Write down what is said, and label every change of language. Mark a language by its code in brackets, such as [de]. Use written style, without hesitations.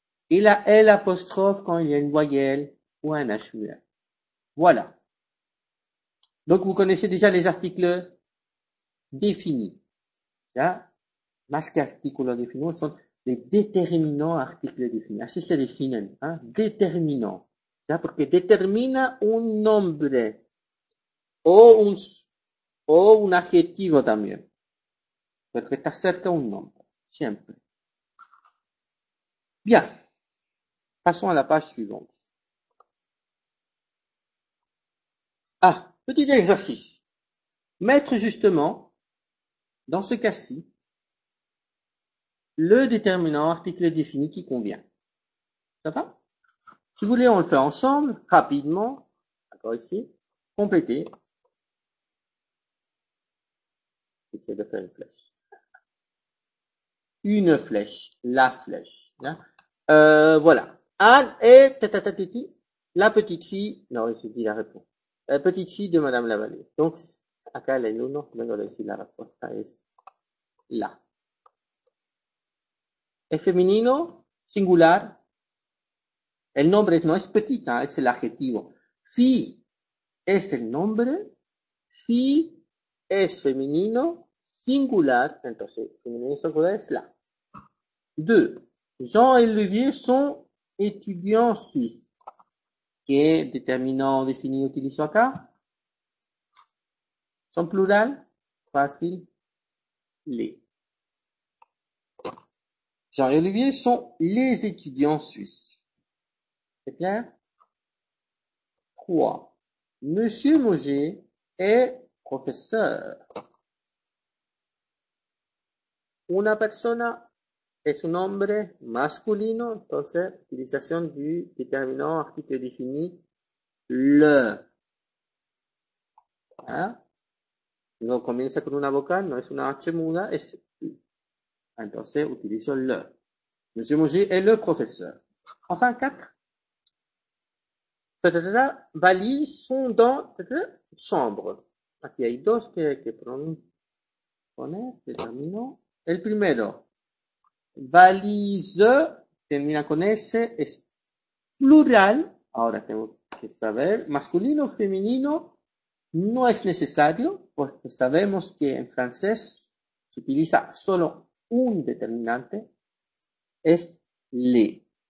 [fr] Et la L apostrophe quand il y a une voyelle ou un H muet. Voilà. Donc, vous connaissez déjà les articles définis. Là, masque articulo définis sont les déterminants articles définis. [es] Así se definen, hein? Déterminants. ¿Ya? Porque determina un nombre o un adjetivo también. Porque está cerca un nombre, siempre. Bien. Pasamos a la [fr] page suivante. Ah, petit exercice. Mettre justement, dans ce cas-ci, le déterminant article défini qui convient. Ça va? Si vous voulez, on le fait ensemble, rapidement. D'accord, ici. Complétez. J'essaie de faire une flèche. Une flèche. La flèche. Voilà. Anne et tatatatiti, la petite fille. Non, il s'est dit la réponse. La petite fille de Madame Lavallée. [es] Donc, acá le uno, luego [fr] le la réponse. [es] Es là. Es femenino, singular. El nombre no es petita, es el adjetivo. Fille es el nombre. Fille es femenino, singular. Entonces, femenino y singular es la. [fr] Deux. Jean et Olivier sont étudiants suisses. [es] ¿Qué déterminant défini utilizo acá? Son plural. [fr] Facile. Les. Jean-Olivier sont les étudiants suisses. C'est clair? 3. Monsieur Mouget est professeur. [es] Una persona es un hombre masculino, entonces [fr] utilisation du déterminant article défini le. Hein? [es] No comienza con una vocal, no es una H muda, es U. Entonces utilizo le. [fr] Monsieur Mouget est le professeur. Enfin, 4. Valises sont dans chambre. [es] Aquí hay dos que hay que poner, terminó. El primero, valise, termina con S, es plural. Ahora tengo que saber, masculino o femenino, no es necesario, porque sabemos que en francés se utiliza solo un determinante, es les.